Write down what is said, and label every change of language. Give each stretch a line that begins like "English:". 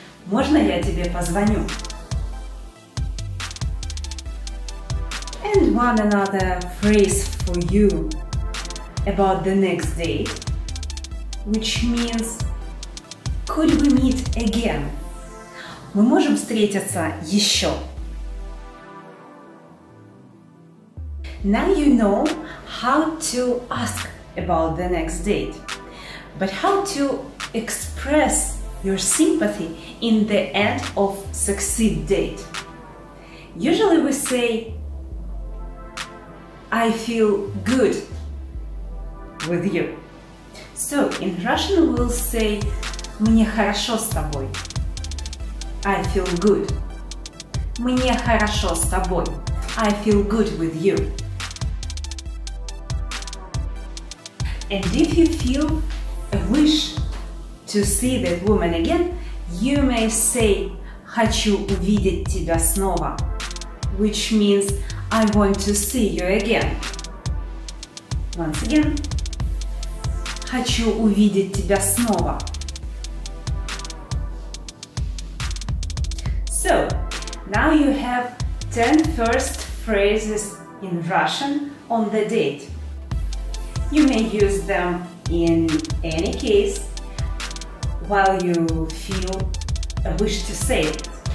Russian: «Можно я тебе позвоню?»
English: And one another phrase for you about the next date, which means could we meet again?
Russian: Мы можем встретиться еще.
English: Now you know how to ask about the next date, but how to express your sympathy in the end of succeed date. Usually we say «I feel good with you». So, in Russian we'll say
Russian: «Мне хорошо с тобой».
English: «I feel good».
Russian: «Мне хорошо с тобой».
English: «I feel good with you». And if you feel a wish to see that woman again, you may say
Russian: «Хочу увидеть тебя снова»,
English: which means «I want to see you again». Once again.
Russian: «Хочу увидеть тебя снова».
English: So, now you have 10 first phrases in Russian on the date. You may use them in any case while you feel a wish to say it.